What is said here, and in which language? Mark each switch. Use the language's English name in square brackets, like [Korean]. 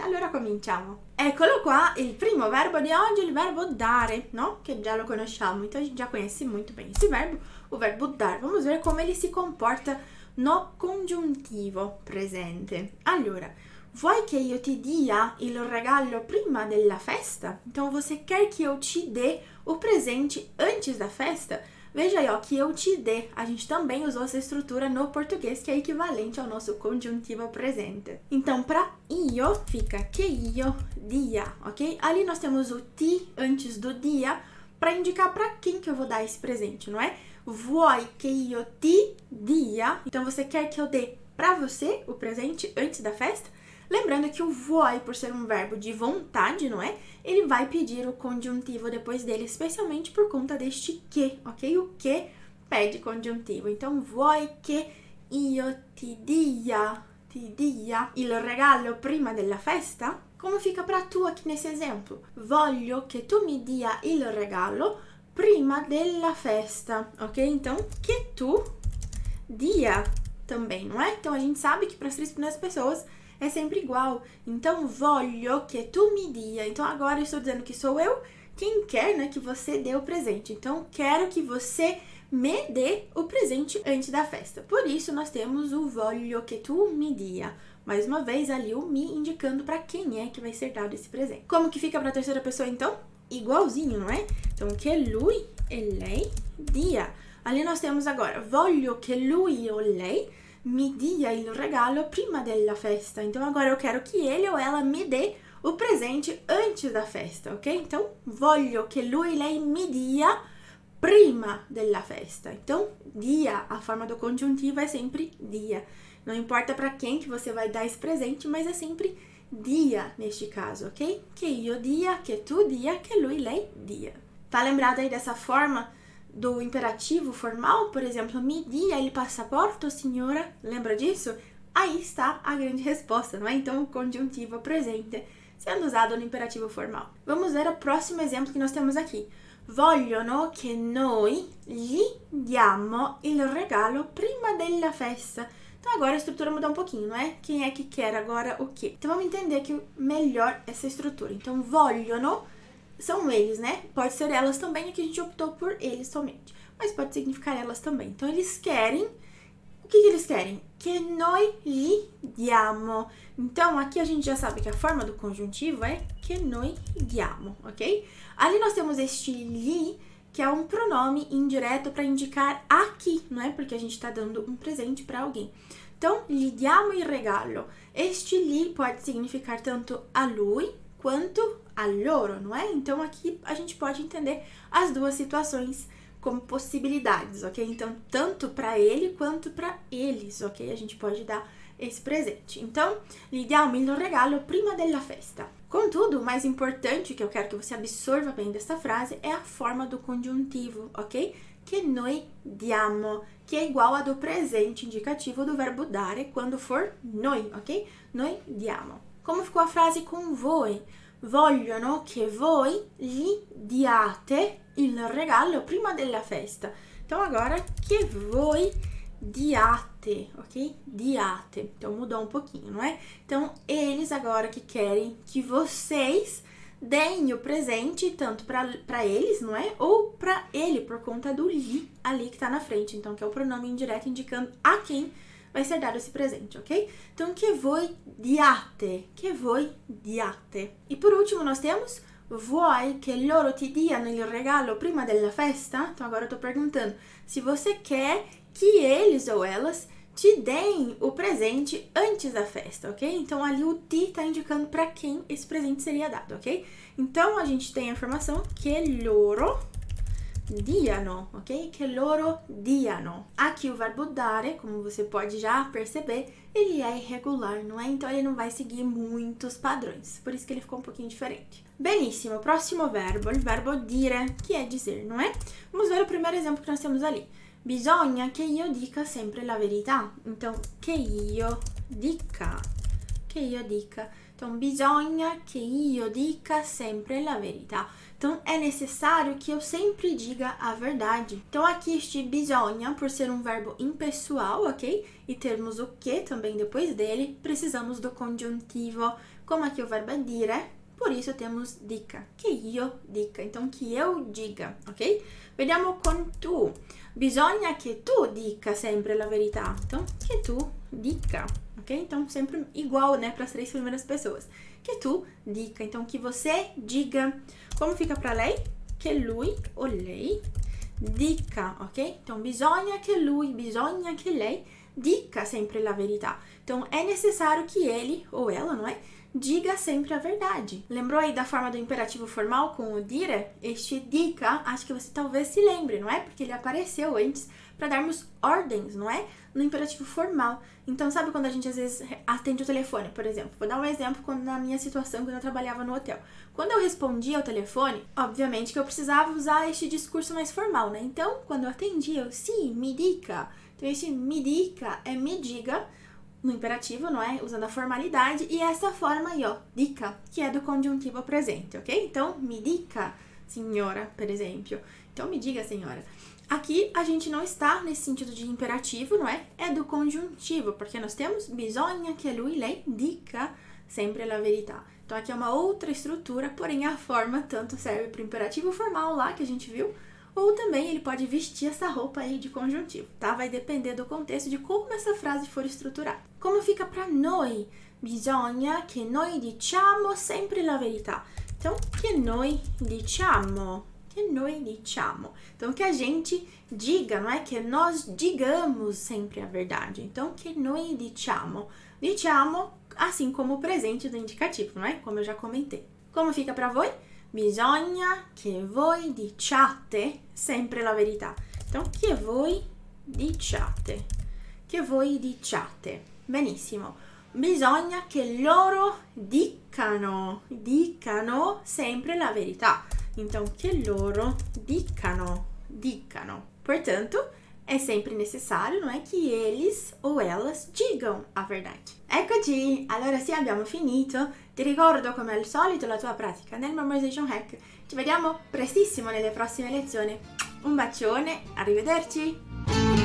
[Italian] Allora cominciamo. Eccolo qua, il primo verbo di oggi, il verbo dare, no? Che già lo conosciamo, tu già conosci molto bene questo verbo, o verbo dare. [Portuguese] Vamos ver come ele si comporta no congiuntivo presente. [Italian] Allora, vuoi che io ti dia il regalo prima della festa? [Portuguese] Então você quer que eu te dê o presente antes da festa? Veja aí, ó, que eu te dê. A gente também usou essa estrutura no português, que é equivalente ao nosso conjuntivo presente. Então, para io fica que io dia, ok? Ali nós temos o ti antes do dia para indicar para quem que eu vou dar esse presente, não é? [Italian] Vuoi che io ti dia? [Portuguese] Então, você quer que eu dê para você o presente antes da festa? Lembrando que o vuoi, por ser um verbo de vontade, não é? Ele vai pedir o congiuntivo depois dele, especialmente por conta deste que, ok? O que pede congiuntivo. [Italian] Então, vuoi che io ti dia il regalo prima della festa? [Portuguese] Come fica pra tu aqui nesse exemplo? [Italian] Voglio che tu mi dia il regalo prima della festa, ok? [Portuguese] Então, che tu dia também, não é? Então, a gente sabe que para as três primeiras pessoas é sempre igual. [Italian] Então, voglio che tu mi dia. [Portuguese] Então, agora eu estou dizendo que sou eu quem quer, né, que você dê o presente. Então, quero que você me dê o presente antes da festa. Por isso, nós temos o voglio che tu mi dia. Mais uma vez, ali o mi indicando para quem é que vai ser dado esse presente. Como que fica para a terceira pessoa, então? Igualzinho, não é? Então, [Italian] che lui e lei dia. [Portuguese] Ali nós temos agora, [Italian] voglio che lui o lei mi dia il regalo prima della festa. [Portuguese] Então agora eu quero que ele ou ela me dê o presente antes da festa, ok? [Italian] Então, voglio che lui lei mi dia prima della festa. [Portuguese] Então, dia, a forma do congiuntivo é sempre dia. Não importa para quem que você vai dar esse presente, mas é sempre dia neste caso, ok? [Italian] Che io dia, che tu dia, che lui lei dia. [Portuguese] Tá lembrado aí dessa forma do imperativo formal? [Italian] Por exemplo, mi dia il passaporto, signora. [Portuguese] Lembra disso? Aí está a grande resposta, não é? Então, o congiuntivo presente sendo usado no imperativo formal. Vamos ver o próximo exemplo que nós temos aqui. [Italian] Vogliono che noi gli diamo il regalo prima della festa. [Portuguese] Então, agora a estrutura mudou um pouquinho, não é? Quem é que quer agora o quê? Então, vamos entender aqui melhor essa estrutura. Então, vogliono são eles, né? Pode ser elas também, que a gente optou por eles somente. Mas pode significar elas também. Então, eles querem. O que que eles querem? [Italian] Que noi gli diamo. [Portuguese] Então, aqui a gente já sabe que a forma do conjuntivo é que noi diamo, ok? Ali nós temos este gli, que é um pronome indireto para indicar aqui, não é? Porque a gente está dando um presente para alguém. [Italian] Então, gli diamo il regalo. [Portuguese] Este gli pode significar tanto a lui quanto a loro, não é? Então aqui a gente pode entender as duas situações como possibilidades, ok? Então, tanto para ele quanto para eles, ok? A gente pode dar esse presente. [Italian] Então, gli diamo il regalo prima della festa. [Portuguese] Contudo, o mais importante que eu quero que você absorva bem dessa frase é a forma do congiuntivo, ok? [Italian] Che noi diamo, [Portuguese] que é igual a do presente indicativo do verbo dare quando for noi, ok? Noi diamo. Como ficou a frase com voi? [Italian] Vogliono che voi gli diate il regalo prima della festa. [Portuguese] Então, agora, [Italian] che voi diate, [Portuguese] ok? Diate. Então, mudou um pouquinho, não é? Então, eles agora que querem que vocês deem o presente, tanto para eles, não é? Ou para ele, por conta do gli ali que está na frente. Então, que é o pronome indireto indicando a quem vai ser dado esse presente, ok? [Italian] Então, che voi diate, che voi diate. [Portuguese] E por último, nós temos, [Italian] vuoi che loro ti diano il regalo prima della festa? [Portuguese] Então, agora eu tô perguntando, se você quer que eles ou elas te deem o presente antes da festa, ok? Então, ali o ti tá indicando para quem esse presente seria dado, ok? Então, a gente tem a informação [Italian] che loro diano, [Portuguese] ok? [Italian] Che loro diano. [Portuguese] Aqui o verbo dare, como você pode já perceber, ele é irregular, não é? Então ele não vai seguir muitos padrões. Por isso que ele ficou um pouquinho diferente. [Italian] Benissimo, [Portuguese] próximo verbo, o verbo dire, que é dizer, não é? Vamos ver o primeiro exemplo que nós temos ali. [Italian] Bisogna che io dica sempre la verità. [Portuguese] Então, [Italian] che io dica, che che io dica. Non bisogna che io dica sempre la verità. [Portuguese] Então é necessário que eu sempre diga a verdade. Então aqui este bisogna, por ser verbo impessoal, ok? E termos o que também depois dele, precisamos do conjuntivo. Como aqui o verbo é dire, por isso temos dica. Que io dica. Então que eu diga, ok? [Italian] Vediamo con tu. Bisogna che tu dica sempre la verità. [Portuguese] Então che tu dica. Ok? Então, sempre igual, né, para as três primeiras pessoas. Que tu dica. Então, que você diga. Como fica para lei? Que lui ou lei dica, ok? [Italian] Então, bisogna que lui, bisogna que lei dica sempre la verità. [Portuguese] Então, é necessário que ele ou ela, não é? Diga sempre a verdade. Lembrou aí da forma do imperativo formal com o dire? Este dica, acho que você talvez se lembre, não é? Porque ele apareceu antes para darmos ordens, não é? No imperativo formal. Então, sabe quando a gente às vezes atende o telefone, por exemplo? Vou dar um exemplo quando, na minha situação quando eu trabalhava no hotel. Quando eu respondia ao telefone, obviamente que eu precisava usar este discurso mais formal, né? Então, quando eu atendia, eu, sim, me dica. Então, este me dica é me diga. No imperativo, não é? Usando a formalidade. E essa forma aí, ó, dica, que é do conjuntivo presente, ok? Então, me dica, senhora, por exemplo. Então, me diga, senhora. Aqui, a gente não está nesse sentido de imperativo, não é? É do conjuntivo, porque nós temos [Italian] bisogna que lui lei dica sempre la verità. [Portuguese] Então, aqui é uma outra estrutura, porém a forma tanto serve para o imperativo formal lá, que a gente viu, ou também ele pode vestir essa roupa aí de conjuntivo, tá? Vai depender do contexto de como essa frase for estruturada. Como fica para noi? [Italian] Bisogna che noi diciamo sempre la verità. Então, che noi diciamo? Che noi diciamo? [Portuguese] Então, que a gente diga, não é? Que nós digamos sempre a verdade. Então, [Italian] che noi diciamo? Diciamo, [Portuguese] assim como o presente do indicativo, não é? Como eu já comentei. Como fica para voi? [Italian] Bisogna che voi diciate sempre la verità. Então, che voi diciate. Che voi diciate. Benissimo. Bisogna che loro dicano. Dicano sempre la verità. Então, che loro dicano. Dicano. [Portuguese] Portanto, é sempre necessário, não é, que eles ou elas digam a verdade. [Italian] Eccoci! Allora, se abbiamo finito, ti ricordo come al solito la tua pratica nel Memorization Hack. Ci vediamo prestissimo nelle prossime lezioni. Un bacione, arrivederci!